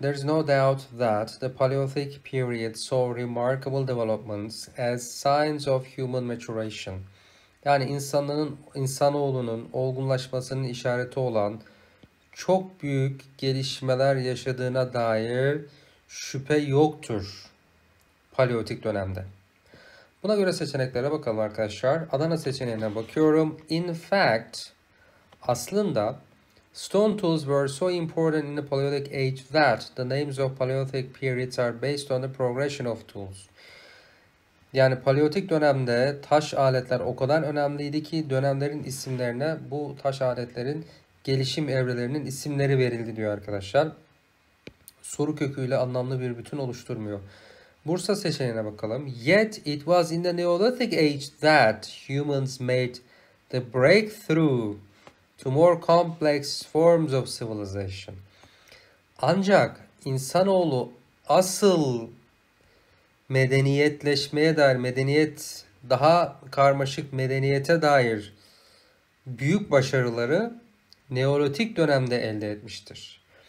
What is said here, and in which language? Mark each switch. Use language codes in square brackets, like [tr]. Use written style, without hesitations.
[en] There is no doubt that the Paleolithic period saw remarkable developments as signs of human maturation. [tr] Yani insanoğlunun olgunlaşmasının işareti olan çok büyük gelişmeler yaşadığına dair şüphe yoktur Paleolitik dönemde. Buna göre seçeneklere bakalım arkadaşlar. Adana seçeneğine bakıyorum. [en] In fact, [tr] aslında [en] stone tools were so important in the Paleolithic age that the names of Paleolithic periods are based on the progression of tools. [tr] Yani Paleolitik dönemde taş aletler o kadar önemliydi ki dönemlerin isimlerine bu taş aletlerin gelişim evrelerinin isimleri verildi diyor arkadaşlar. Soru köküyle anlamlı bir bütün oluşturmuyor. Bursa seçeneğine bakalım. [en] Yet it was in the Neolithic age that humans made the breakthrough to more complex forms of civilization. [tr] Ancak insanoğlu asıl medeniyetleşmeye dair, medeniyet daha karmaşık medeniyete dair büyük başarıları Neolitik dönemde elde etmiştir.